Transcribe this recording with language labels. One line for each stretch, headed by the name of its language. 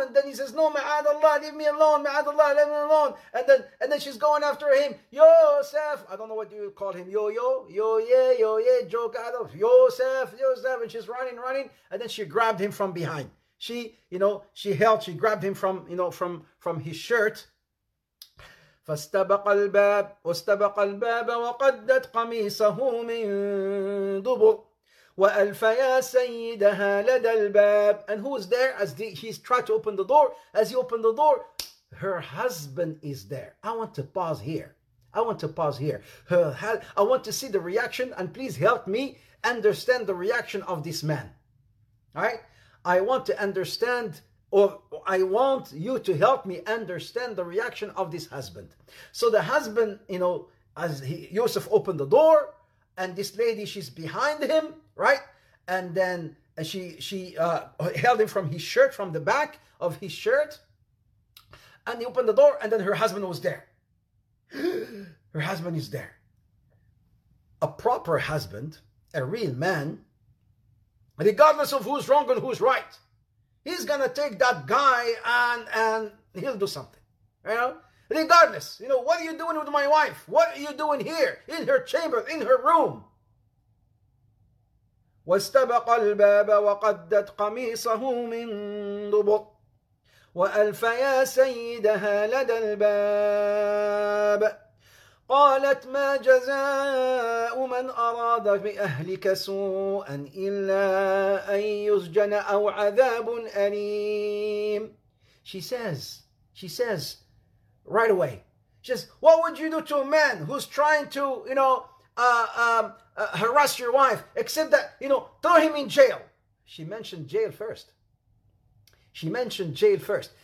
English: And then he says, no, ma'ad Allah, leave me alone, ma'ad Allah, leave me alone. And then she's going after him. Yusuf, I don't know what you call him. Yo, yeah, joke out of Yusuf, Yusuf. And she's running, running. And then she grabbed him from behind. She, you know, she held, she grabbed him from, you know, from his shirt.
Arabic: فاستبق الباب واستبق الباب وقدت قميصه من دبر وألف يا سيدها لدى الباب.
English: And who is there as he's trying to open the door? As he opened the door, her husband is there. I want to pause here. I want to pause here. I want to see the reaction, and please help me understand the reaction of this man. All right? I want to understand. Or I want you to help me understand the reaction of this husband. So the husband, you know, as he, Yusuf opened the door, and this lady, she's behind him, right? And then she held him from his shirt, from the back of his shirt. And he opened the door, and then her husband was there. Her husband is there. A proper husband, a real man, regardless of who's wrong and who's right, he's gonna take that guy and he'll do something. You know? Regardless, you know, what are you doing with my wife? What are you doing here in her chamber, in her room?
Arabic: واستبق الباب وقدت قميصه من دبر وألف يا سيدها لدى الباب قالت ما جزاء من أراد بأهلك سوءا إلا أن يسجن أو عذاب أليم.
English: She says right away, she says, what would you do to a man who's trying to, you know, harass your wife, except that, you know, throw him in jail? She mentioned jail first. She mentioned jail first.